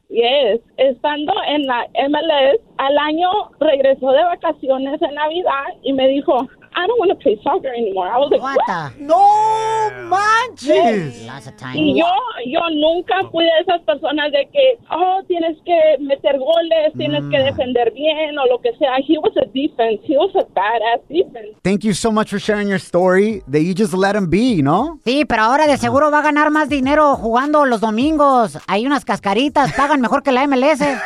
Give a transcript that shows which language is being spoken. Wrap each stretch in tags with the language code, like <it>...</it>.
<es>Yes, estando en la MLS, al año regresó de vacaciones en Navidad y me dijo,</es> <en>I don't want to play soccer anymore. I was like, what?</en> <es>No manches. Y yo nunca fui de esas personas de que, oh, tienes que meter goles, tienes que defender bien o lo que sea.</es> <en>He was a defense. He was a badass defense. Thank you so much for sharing your story that you just let him be, you know?</en> <es>Sí, pero ahora de seguro va a ganar más dinero jugando los domingos. Hay unas cascaritas, pagan mejor que la MLS.</es>